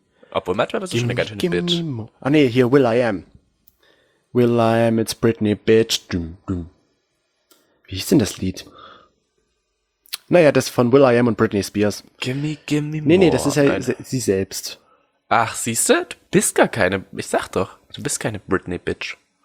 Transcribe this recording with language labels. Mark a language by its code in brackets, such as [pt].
[de] Obwohl, manchmal bist du schon eine ganz schöne Bitch. Ah, nee, hier, Will I Am. [en] Will I Am, it's Britney, bitch. [de] Wie hieß denn das Lied? Naja, das von Will I Am und Britney Spears. [en] Gimme more. [de] Nee, das ist ja sie selbst. Ach, siehst du? Du bist gar keine, ich sag doch, du bist keine Britney, bitch.